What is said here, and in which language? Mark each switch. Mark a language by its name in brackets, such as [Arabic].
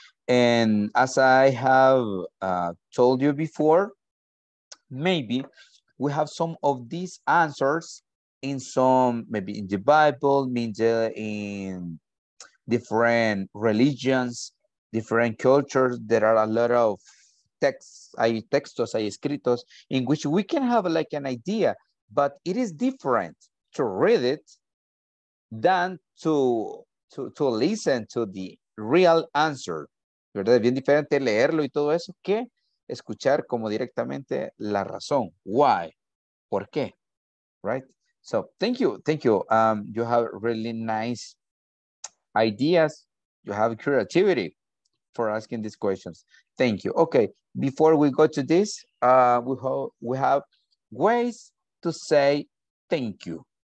[English] And as I have told you before, maybe we have some of these answers in some, maybe in the Bible, means in different religions, different cultures. There are a lot of textos, [Spanish] hay escritos, [English] in which we can have like an idea, but it is different to read it than to listen to the real answer. [Spanish] ¿Verdad? Es bien diferente leerlo y todo eso que escuchar como directamente la razón. [English] Why? [Spanish] ¿Por qué? [English] Right? So, thank you. You have really nice ideas, you have creativity for asking these questions. Thank you. Okay, before we go to this, we have ways to say thank you.